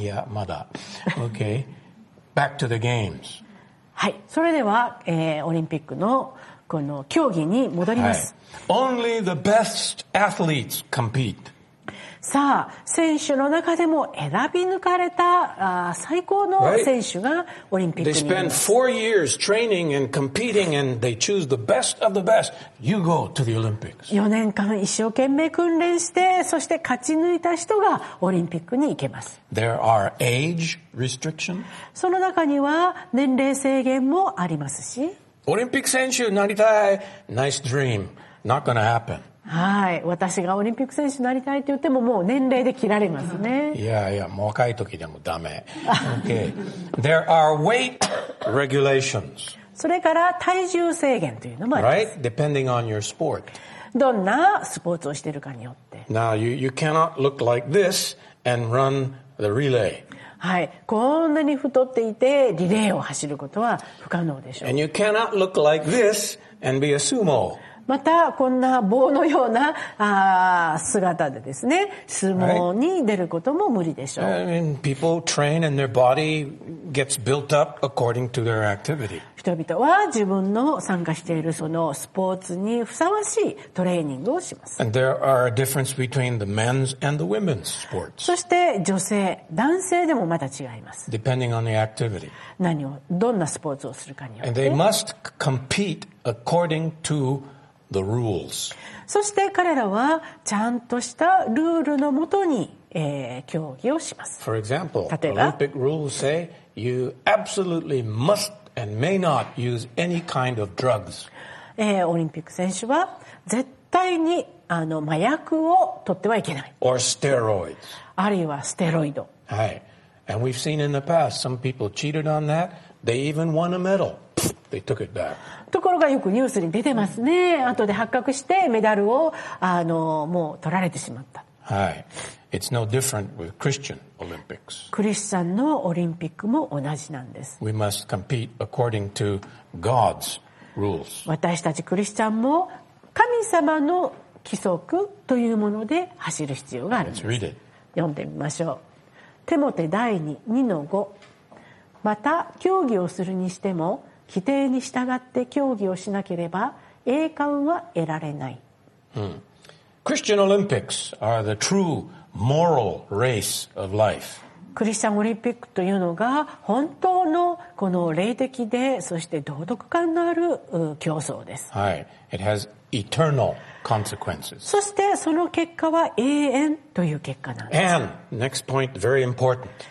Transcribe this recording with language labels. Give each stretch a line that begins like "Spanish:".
Japanese: いやまだ。
English: OK Back to the games.
Japanese: はい、それでは、オリンピックのこの競技に戻ります、はい、
English: Only the best athletes compete.
Japanese: さあ選手の中でも選び抜かれた最高の選手がオリンピックに。
English: They spend four years training and competing and they choose the best of the best. You go to the Olympics.
Japanese: 4年間一生懸命訓練して、そして勝ち抜いた人がオリンピックに行けます。
English: There are age restrictions.
Japanese: その中には年齢制限もありますし、オリンピック選手になりたい、
English: Nice dream. Not gonna happen.
Japanese: はい、私がオリンピック選手になりたいと言ってももう年齢で切られますね。いやいや、もう若い時でもダメ。
English: OK There are weight regulations.
Japanese: それから体重制限というのもあります。
English: Right? Depending on your sport.
Japanese: どんなスポーツをしているかによって。
English: Now you cannot look like this and run the relay.
Japanese: はい、こんなに太っていてリレーを走ることは不可能でしょう。
English: And you cannot look like this and be a sumo.
Japanese: またこんな棒のような姿でですね、相撲に出ることも無理でしょう。
English: I mean, people train and their body gets built up according to their activity.
Japanese: 人々は自分の参加しているそのスポーツにふさわしいトレーニングをします。
English: And there are a difference between the men's and the women's sports.
Japanese: そして女性、男性でもまた違います。
English: Depending on the activity.
Japanese: 何を、どんなスポーツをするかによって。
English: And they must compete according toThe rules.
Japanese: そして彼らはちゃんとしたルールのもとに、競技をします。
English: For example, 例えば Olympic rules say you absolutely must and may not use any kind of drugs.
Japanese: オリンピック選手は絶対に麻薬を取ってはいけない。
English: Or steroids.
Japanese: あるいはステロイド。はい。
English: And we've seen in the past some people cheated on that. They even won a medal. They took it back.
Japanese: ところがよくニュースに出てますね。後で発覚してメダルをもう取られてしまった。
English: はい。It's no different with Christian Olympics.
Japanese: クリスチャンのオリンピックも同じなんです。
English: We must compete according to God's rules.
Japanese: 私たちクリスチャンも神様の規則というもので走る必要があるんです。
English: Let's read it.
Japanese: 読んでみましょう。テモテ第 2-5 また競技をするにしても規定に従って競技をしなければ栄冠は得られない。
English: Christian Olympics are the true moral race of life.
Japanese: クリスチャンオリンピックというのが本当のこの霊的で、そして道徳感のある競争です。
English: はい。It has eternal consequences.
Japanese: そしてその結果は永遠という結果なんです。
English: And next point, very important.